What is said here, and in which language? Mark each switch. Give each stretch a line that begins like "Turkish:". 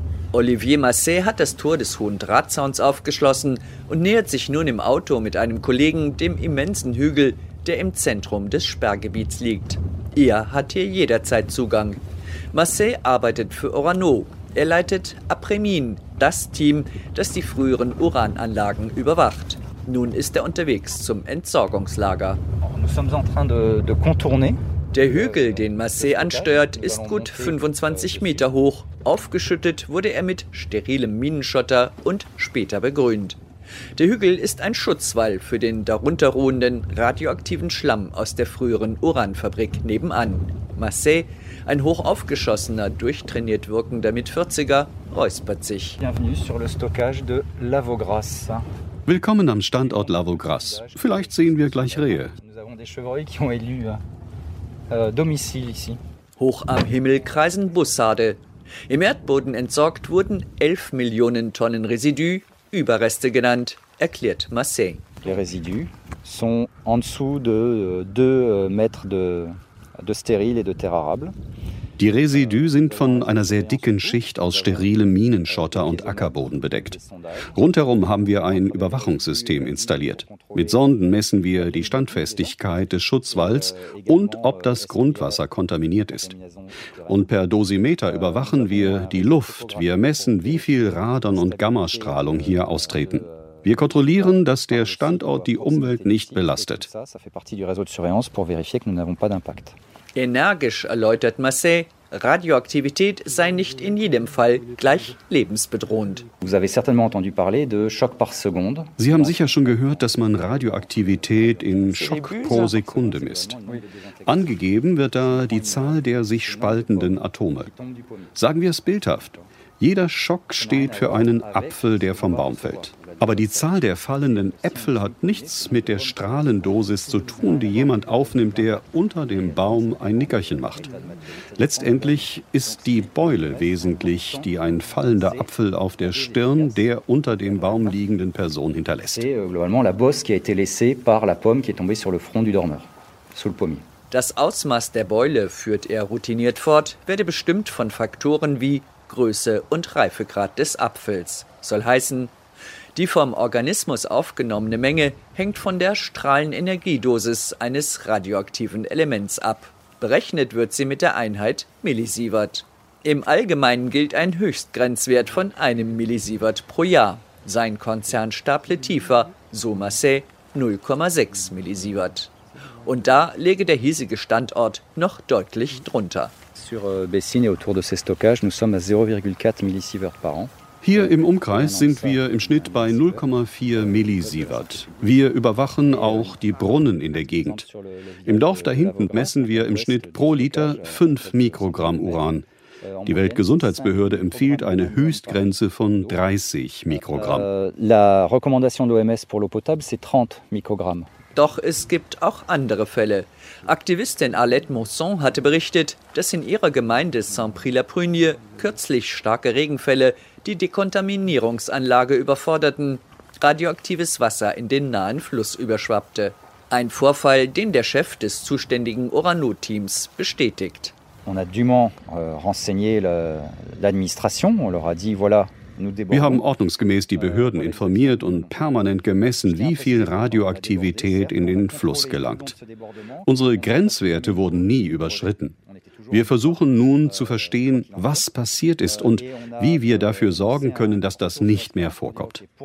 German: Olivier Massé hat das Tor des hohen Drahtzauns aufgeschlossen und nähert sich nun im Auto mit einem Kollegen dem immensen Hügel, der im Zentrum des Sperrgebiets liegt. Er hat hier jederzeit Zugang. Massé arbeitet für Orano. Er leitet Apremin, das Team, das die früheren Urananlagen überwacht. Nun ist er unterwegs zum Entsorgungslager.
French: Nous sommes en train de contourner.
German: Der Hügel, den Massé ansteuert, ist gut 25 Meter hoch. Aufgeschüttet wurde er mit sterilem Minenschotter und später begrünt. Der Hügel ist ein Schutzwall für den darunter ruhenden radioaktiven Schlamm aus der früheren Uranfabrik nebenan. Massé, ein hochaufgeschossener, durchtrainiert wirkender Mit-40er, räuspert sich.
French: Bienvenue sur le stockage de Lavaugrasse.
German: Willkommen am Standort Lavaugrasse. Vielleicht sehen wir gleich Rehe.
French: Nous avons des chevreuils qui ont élu domicile ici.
German: Hoch am Himmel kreisen Bussarde. Im Erdboden entsorgt wurden 11 Millionen Tonnen Residu, Überreste genannt, erklärt Massé.
French: Les résidus sont en dessous de 2 mètres de stérile et de terre arable.
German: Die Residu sind von einer sehr dicken Schicht aus sterilem Minenschotter und Ackerboden bedeckt. Rundherum haben wir ein Überwachungssystem installiert. Mit Sonden messen wir die Standfestigkeit des Schutzwalls und ob das Grundwasser kontaminiert ist. Und per Dosimeter überwachen wir die Luft. Wir messen, wie viel Radon und Gammastrahlung hier austreten. Wir kontrollieren, dass der Standort die Umwelt nicht belastet. Energisch erläutert Massé, Radioaktivität sei nicht in jedem Fall gleich lebensbedrohend.
French: Vous avez certainement entendu parler de choc par seconde.
German: Sie haben sicher schon gehört, dass man Radioaktivität in Schock pro Sekunde misst. Angegeben wird da die Zahl der sich spaltenden Atome. Sagen wir es bildhaft. Jeder Schock steht für einen Apfel, der vom Baum fällt. Aber die Zahl der fallenden Äpfel hat nichts mit der Strahlendosis zu tun, die jemand aufnimmt, der unter dem Baum ein Nickerchen macht. Letztendlich ist die Beule wesentlich, die ein fallender Apfel auf der Stirn der unter dem Baum liegenden Person hinterlässt.
French: Globalement la bosse qui a été laissée par la pomme qui est tombée sur le front du dormeur, sous le pommier.
German: Das Ausmaß der Beule, führt er routiniert fort, werde bestimmt von Faktoren wie Größe und Reifegrad des Apfels. Soll heißen, die vom Organismus aufgenommene Menge hängt von der Strahlenenergiedosis eines radioaktiven Elements ab. Berechnet wird sie mit der Einheit Millisievert. Im Allgemeinen gilt ein Höchstgrenzwert von einem Millisievert pro Jahr. Sein Konzern staple tiefer, so Massé, 0,6 Millisievert. Und da lege der hiesige Standort noch deutlich drunter.
French: Sur Bessines et autour de ces stockages, nous sommes à 0,4 millisievert par an.
German: Hier im Umkreis sind wir im Schnitt bei 0,4 Millisievert. Wir überwachen auch die Brunnen in der Gegend. Im Dorf da hinten messen wir im Schnitt pro Liter 5 Mikrogramm Uran. Die Weltgesundheitsbehörde empfiehlt eine Höchstgrenze von 30 Mikrogramm.
French: La recommandation de l'OMS pour l'eau potable, c'est 30 Mikrogramm.
German: Doch es gibt auch andere Fälle. Aktivistin Alette Mosson hatte berichtet, dass in ihrer Gemeinde Saint-Pry-la-Prunie kürzlich starke Regenfälle die Dekontaminierungsanlage überforderten, radioaktives Wasser in den nahen Fluss überschwappte. Ein Vorfall, den der Chef des zuständigen Orano-Teams bestätigt.
French: On a dûment renseigné l'administration, on leur a dit voilà.
German: Wir haben ordnungsgemäß die Behörden informiert und permanent gemessen, wie viel Radioaktivität in den Fluss gelangt. Unsere Grenzwerte wurden nie überschritten. Wir versuchen nun zu verstehen, was passiert ist und wie wir dafür sorgen können, dass das nicht mehr vorkommt.